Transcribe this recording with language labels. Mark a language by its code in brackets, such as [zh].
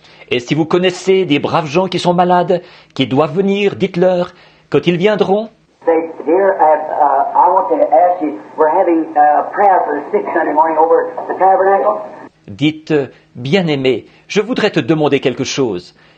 [fr] Et si vous connaissez des braves gens qui sont malades, qui doivent venir, dites-leur, quand ils viendront. [en] Dear, I want to ask you, we're having a prayer for the sick Sunday morning over the tabernacle. [fr] dites « Bien-aimé, je voudrais te demander quelque chose.